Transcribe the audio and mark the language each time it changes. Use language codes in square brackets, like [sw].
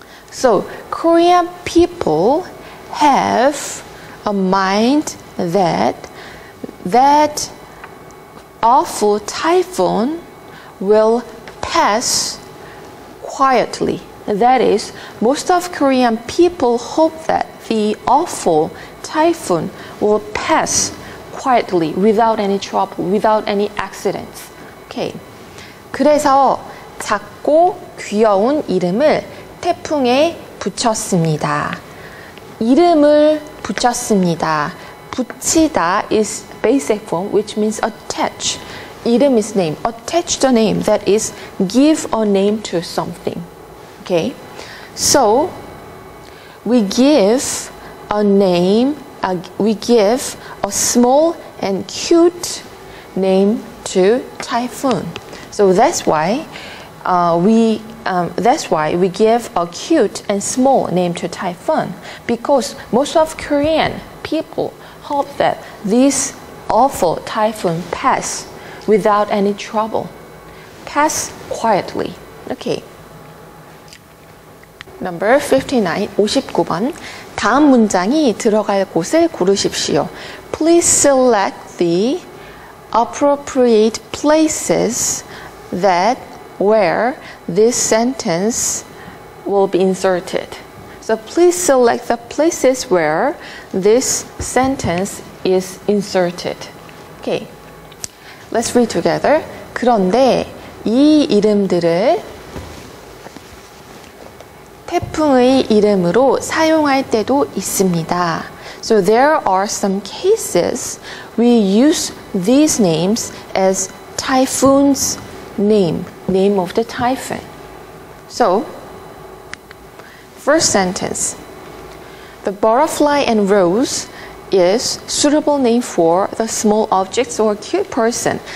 [en] So, Korean people have a mind that awful typhoon will pass quietly. That is, most of Korean people hope that the awful typhoon will pass quietly without any trouble, without any accidents. Okay. [ko] 그래서 작고 귀여운 이름을 태풍에 붙였습니다. [en] 이름을 붙였습니다. 붙이다 is basic form, which means attach. 이름 is name. Attach the name. That is, give a name to something. Okay? So, we give a name, we give a small and cute name to typhoon. So, that's why we give a cute and small name to typhoon. Because most of Korean people hope that this awful typhoon pass without any trouble. Pass quietly. Okay. Number 59, 59번. [ko] 다음 문장이 들어갈 곳을 고르십시오. [en] Please select the appropriate places that where this sentence will be inserted. So please select the places where this sentence is inserted. Okay. Let's read together. [ko] 그런데 이 이름들을 태풍의 이름으로 사용할 때도 있습니다. [en] So there are some cases we use these names as typhoon's name of the typhoon. So, first sentence. The butterfly and rose is suitable name for the small objects or cute person.